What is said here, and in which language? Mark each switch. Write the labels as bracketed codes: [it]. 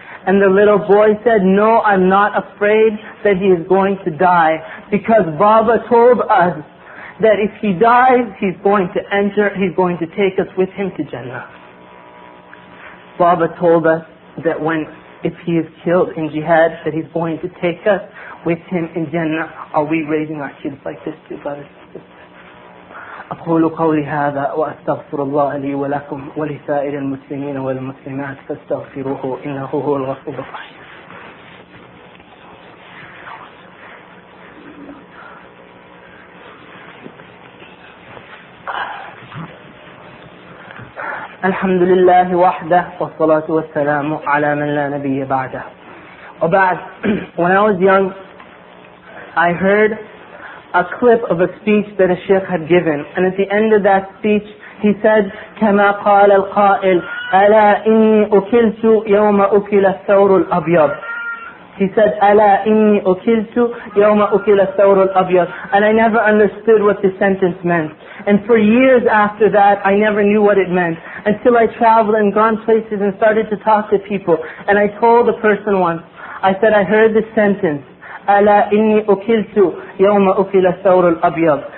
[en] And the little boy said, no, I'm not afraid that he is going to die, because Baba told us that if he dies, he's going to enter, he's going to take us with him to Jannah. Baba told us that when, if he is killed in jihad, that he's going to take us with him in Jannah. Are we raising our kids like this too, brothers? [ar] أقول قولي هذا وأستغفر الله لي ولكم ولسائر المسلمين والمسلمات فاستغفروه إنه هو الغفور الرحيم. الحمد لله وحده والصلاة والسلام على من لا نبي بعده. [en] وبعد, when I was young, I heard a clip of a speech that a sheikh had given, and at the end of that speech he said, [ar] كَمَا قَالَ الْقَائِلُ أَلَا إِنِّي أُكِلْتُ يَوْمَ أُكِلَ الثَّوْرُ الْأَبْيَضُ. [en] He said, [ar] أَلَا إِنِّي أُكِلْتُ يَوْمَ أُكِلَ الثَّوْرُ الْأَبْيَضُ. [en] And I never understood what this sentence meant. And for years after that, I never knew what it meant until I traveled and gone places and started to talk to people. And I told a person once, I said, I heard this sentence, [ar] أَلَا إِنِّي أُكِلْتُ يَوْمَ أُكِلَ الثَّوْرُ الْأَبْيَضُ.